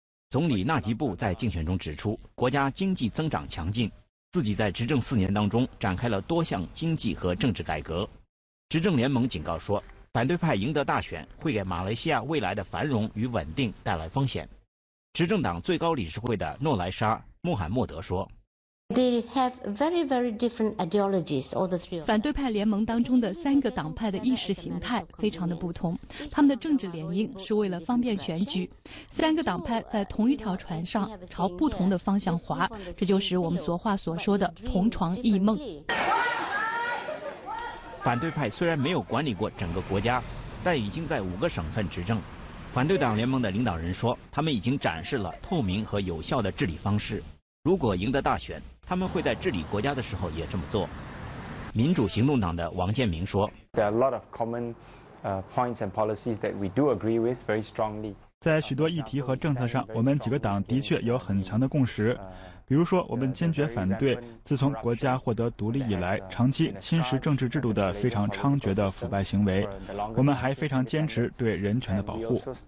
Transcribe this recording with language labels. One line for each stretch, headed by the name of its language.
Chinese: 总理纳吉布在竞选中指出，国家经济增长强劲，自己在执政4年当中展开了多项经济和政治改革。执政联盟警告说，反对派赢得大选会给马来西亚未来的繁荣与稳定带来风险。执政党最高理事会的诺莱沙·穆罕默德说，
English: They have very, very different ideologies, all the three of them.
Chinese: 反对派联盟当中的三个党派的意识形态非常的不同，他们的政治联姻是为了方便选举。三个党派在同一条船上朝不同的方向划，这就是我们俗话所说的同床异梦。反对派虽然没有管理过整个国家，但已经在五个省份执政。反对党联盟的领导人说，他们已经展示了透明和有效的治理方式。如果赢得大选，他们会在治理国家的时候也这么做。民主行动党的王建明说
English: There are a lot of common points and policies that we do agree with very strongly.
Chinese: 在许多议题和政策上，我们几个党的确有很强的共识。比如说，我们坚决反对自从国家获得独立以来长期侵蚀政治制度的非常猖獗的腐败行为。我们还非常坚持对人权的保护。